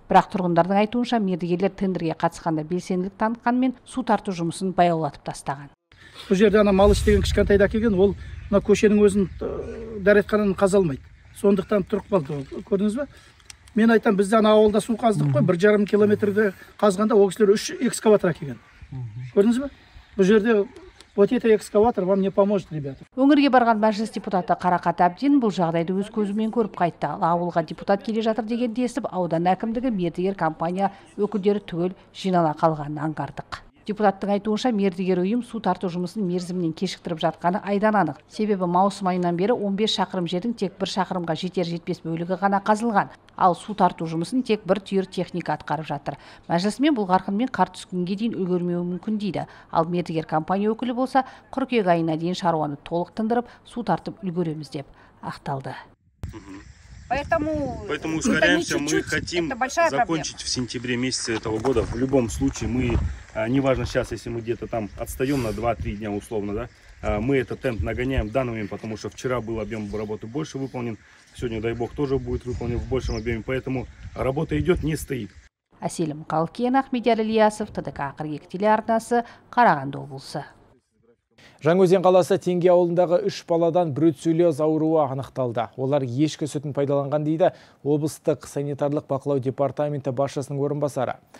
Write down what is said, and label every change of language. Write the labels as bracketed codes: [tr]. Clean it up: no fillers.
[kk] Бірақ тұрғындардың айтуынша мердігерлер тендерге қатысқанда белсенділік танытқанмен су тарту жұмысын баяулатып тастаған. Бұл жерде ана малыш деген кішкентай да келген, ол мына көшенің өзін дәретханын қаза алмайды. Сондықтан тұрып қалды, көрдіңіз бе? Мен айтам, бізде ана ауылда су қаздық қой, 1,5 километрді қазғанда ол кісілер 3 экскаватор әкелген. Көрдіңіз бе? Бұл жерде [ru] вот это экскаватор вам не поможет, ребята. [kk] Өңірге барған мәжіліс депутаты Қарақат Әбден бұл жағдайды өз көзімен көріп қайтты. Ауылға депутат келе жатыр деген десіп, аудан әкімдігі мердігер компания өкілдері түгел жинала қалғанын аңғардық. Депутаттың айтуынша мердігер ұйым су тарту жұмысын мерзімінен кешіктіріп жатқаны айдан анық. Себебі маусым айынан бері 15 шақырым жердің тек 1 шақырымға жетер жетпес бөлігі ғана қазылған. Ал су тарту жұмысын тек бір түйір техника атқарып жатыр. Мәжілісмен бұл қарқынмен қар түскенге дейін үлгермеуі мүмкін дейді. Ал мердігер компания өкілі болса, қыркүйек айына дейін шаруаны толық тындырып, су тартып үлгереміз деп ақталды. [ru] Поэтому ускоряемся, мы хотим закончить в сентябре месяце этого года. В любом случае, мы, неважно сейчас, если мы где-то там отстаем на 2-3 дня условно, да, мы этот темп нагоняем в данный момент, потому что вчера был объем работы больше выполнен, сегодня, дай бог, тоже будет выполнен в большем объеме, поэтому работа идет, не стоит. [kk] Асилим Калкен, Ахмедияр Ильясов, ТДК 42 телеарнасы, Қарағанды облысы. Жаңгөзен қаласы Теңге ауылындағы үш баладан бруцеллез ауруы анықталды. Олар ешкі сүтін пайдаланған дейді облыстық санитарлық бақылау департаменті басшысының орынбасары.